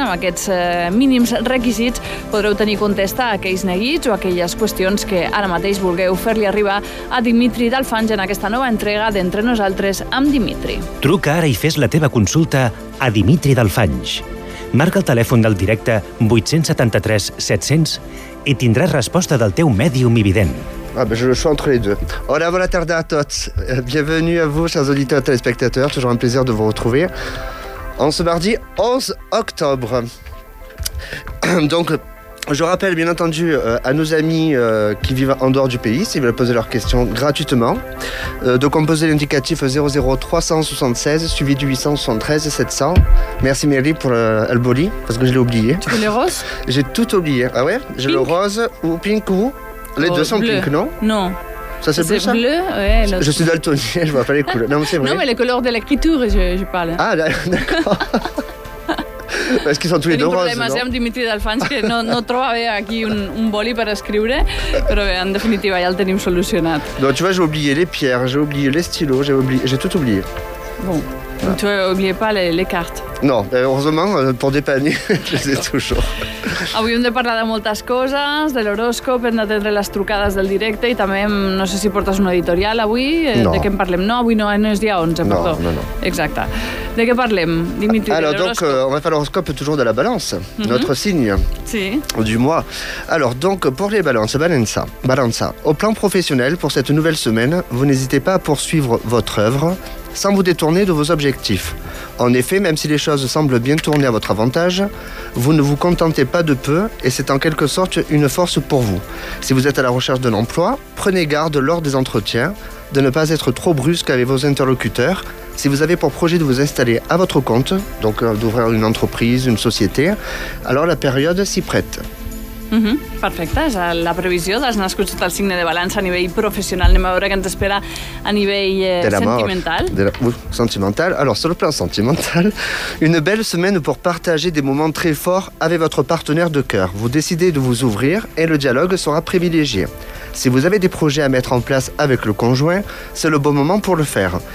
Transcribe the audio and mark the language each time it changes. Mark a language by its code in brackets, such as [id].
[ca] Amb aquests mínims requisits podreu tenir contesta a aquells neguits o a aquelles qüestions que ara mateix vulgueu fer-li arribar a Dimitri Delfanys en aquesta nova entrega d'Entre Nosaltres amb Dimitri. Truca ara i fes la teva consulta a Dimitri Delfanys. Marca el telèfon del directe 873-700 i tindràs resposta del teu mèdium i vident. [fr] Ah, ben, je le sens entre les deux. [ca] Hola, bona tarda a tots. [fr] Bienvenue à vous, chers auditeurs et téléspectateurs. Toujours un plaisir de vous retrouver en ce mardi 11 octobre. Donc, je rappelle bien entendu à nos amis qui vivent en dehors du pays, s'ils veulent poser leurs questions gratuitement, de composer l'indicatif 00376 suivi du 873-700. Merci Mélie pour le boli, parce que je l'ai oublié. Tu veux le rose? J'ai tout oublié. Ah ouais? J'ai pink. Le rose ou pink ou... Les deux sont bleu. Pink, non? Non. Ça, c'est bleu, ça? Bleu, ouais. Je suis daltonien, je vois pas les couleurs. Non, c'est vrai. Non, mais les couleurs de l'écriture, je parle. Ah, d'accord. Parce qu'ils sont tous les deux roses, non? [ca] Amb Dimitri Delfanys, que no troba bé aquí un boli per escriure, però bé, en definitiva, ja el tenim solucionat. [fr] Donc, tu vois, j'ai oublié les pierres, j'ai oublié les stylos, j'ai tout oublié. Bon. Voilà. Tu n'oublies pas les cartes? Non, heureusement, pour dépanner, je les ai toujours. [ca] Avui hem de parlar de moltes coses, de l'horòscop, hem d'atendre les trucades del directe i també, no sé si portes un editorial avui, no. De què en parlem? No, avui no és dia 11, no, perdó. No. Exacte. De què parlem, Dimitri? [fr] Alors, donc, on va faire l'horoscope toujours de la balance, notre signe. [ca] Sí. [fr] Du mois. Alors, donc, pour les balances, balança. Au plan professionnel, pour cette nouvelle semaine, vous n'hésitez pas à poursuivre votre œuvre sans vous détourner de vos objectifs. En effet, même si les choses semblent bien tourner à votre avantage, vous ne vous contentez pas de peu et c'est en quelque sorte une force pour vous. Si vous êtes à la recherche d'un emploi, prenez garde lors des entretiens de ne pas être trop brusque avec vos interlocuteurs. Si vous avez pour projet de vous installer à votre compte, donc d'ouvrir une entreprise, une société, alors la période s'y prête. [ca] Perfecte, és la previsió dels nascuts sota el signe de balança a nivell professional. Anem a veure què ens espera a nivell sentimental. Sentimental. [fr] Alors, sur le plan sentimental, une belle semaine pour partager des moments très forts avec votre partenaire de cœur. Vous décidez de vous ouvrir et le dialogue sera privilégié. Si vous avez des projets à mettre en place avec le conjoint, c'est le bon moment pour le faire.